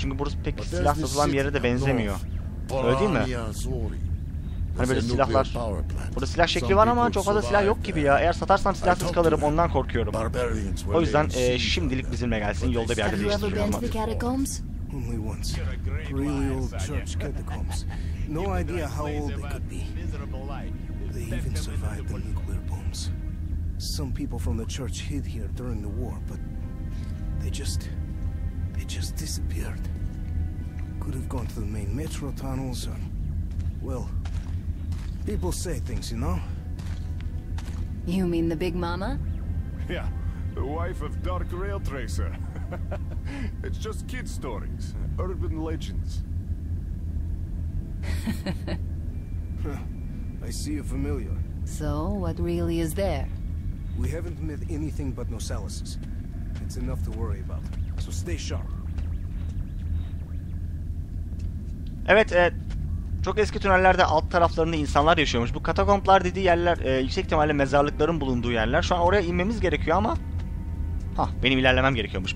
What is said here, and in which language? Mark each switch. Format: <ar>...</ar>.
<tr>Çünkü burası pek silah satılan bir yere de benzemiyor. Öyle değil mi? Hani böyle silahlar... Burada silah şekli var ama çok fazla silah yok gibi ya. Eğer satarsam silahsız kalırım, ondan korkuyorum. O yüzden şimdilik bizimle gelsin. Yolda bir yerde değiştiriyorum.</tr> <en>Only once. Really old church catacombs. No idea how old they could be. They even survived the nuclear homes. Some people from the church hid here during the war, but they just disappeared. Could have gone to the main metro tunnels or, well, people say things, you know? You mean the Big Mama? Yeah, the wife of Dark Rail Tracer. It's just kid stories, urban legends. I see you're familiar. So, what really is there? We haven't met anything but Nosalises. It's enough to worry about. So stay sharp.</en> <tr>Evet, çok eski tünellerde alt taraflarında insanlar yaşıyormuş. Bu katakomplar dediği yerler yüksek ihtimalle mezarlıkların bulunduğu yerler. Şu an oraya inmemiz gerekiyor ama... Hah, benim ilerlemem gerekiyormuş.</tr>